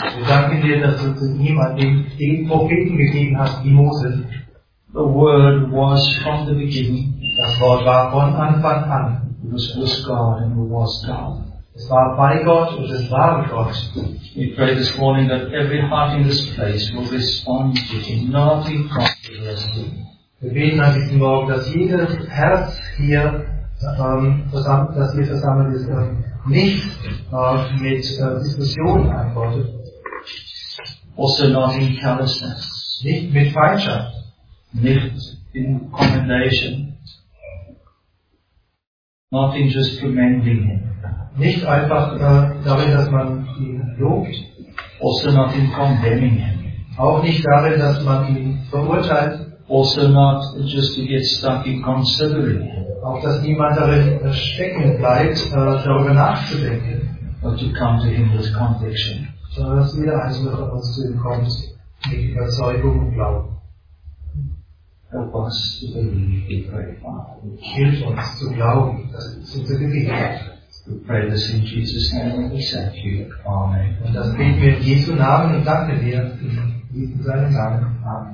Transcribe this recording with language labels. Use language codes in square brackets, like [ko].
[de] Wir danken dir, dass du zu ihm an den Propheten gegeben hast, wie Moses. [en] The word was from the beginning. [de] Das Wort war von Anfang an. [en] It was with God and it was God. [de] Es war bei Gott und es war Gott. [en] We pray this morning that every heart in this place will respond to him, not in controversy. [de] Wir beten an diesem Morgen, dass jedes Herz hier zusammen ist, nicht mit Diskussionen antwortet. [en] Also not in callousness. [de] Nicht mit Feindschaft. Nicht in [en] commendation. not in just commending him. [de] Nicht einfach darin, dass man ihn lobt. [en] Also not in condemning him. [de] Auch nicht darin, dass man ihn verurteilt. [en] Also not just to get stuck in considering. [de] Auch dass niemand darin stecken bleibt, darüber nachzudenken. [en] But to come to him with conviction. [de] Sondern dass jeder Einzelne von uns zu ihm kommt, mit Überzeugung und Glauben. [en] Help us to believe, we pray, Father. [de] Hilf uns zu glauben, dass es uns gelingt. [en] We pray this in Jesus' name and we thank you. Amen. [de] Und das beten wir in Jesu Namen und danken wir in Jesu seinem Namen. Amen.